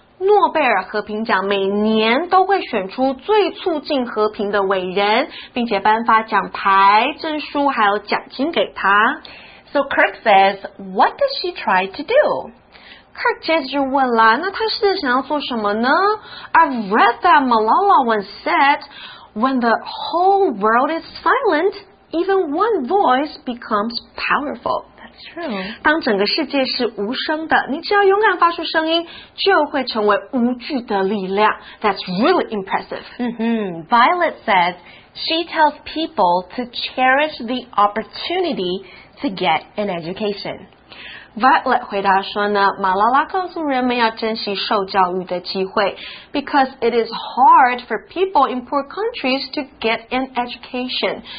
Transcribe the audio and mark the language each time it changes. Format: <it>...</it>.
<zh>诺贝尔和平奖每年都会选出最促进和平的伟人，并且颁发奖牌、证书还有奖金给他。</zh> <en>So Kirk says, what does she try to do?</en> <zh>Kirk 接着就问了，那他是想要做什么呢？</zh> <en>I've read that Malala once said, when the whole world is silent, even one voice becomes powerful. True.</en> <zh>当整个世界是无声的，你只要勇敢发出声音，就会成为无惧的力量。</zh> <en>That's really impressive. Mm-hmm. Violet says she tells people to cherish the opportunity to get an education.</en> <zh>Violet 回答说呢，马拉拉告诉人们要珍惜受教育的机会 ，</zh> <en>because it is hard for people in poor countries to get an education.</en>